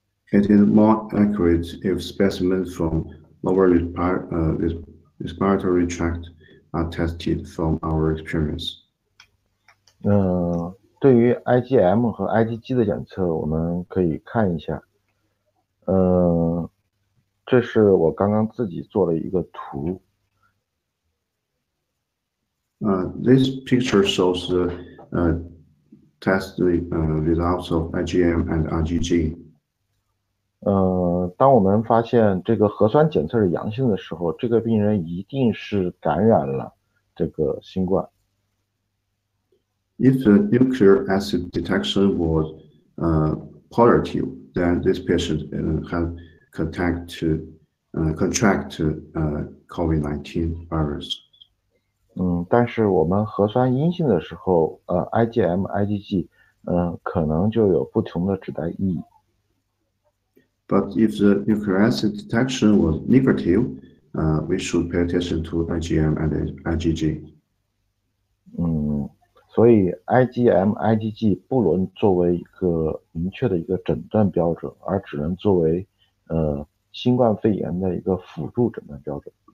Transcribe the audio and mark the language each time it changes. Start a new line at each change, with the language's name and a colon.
English: It is more accurate if specimens from lower respiratory tract are tested from our experience.
Chinese: 对于 IgM 和 IgG 的检测，我们可以看一下。这是我刚刚自己做了一个图。
English: This picture shows the test results of IgM and IgG.
Chinese: 当我们发现这个核酸检测是阳性的时候，这个病人一定是感染了这个新冠。
English: If the nucleic acid detection was positive, then this patient had contracted COVID-19 virus.
Chinese: 但是我们核酸阴性的时候，IgM、IgG，可能就有不同的指代意义。
English: But if the nucleic acid detection was negative, we should pay attention to IgM and IgG.
Chinese: 所以 IgM、IgG 不能作为一个明确的一个诊断标准，而只能作为新冠肺炎的一个辅助诊断标准。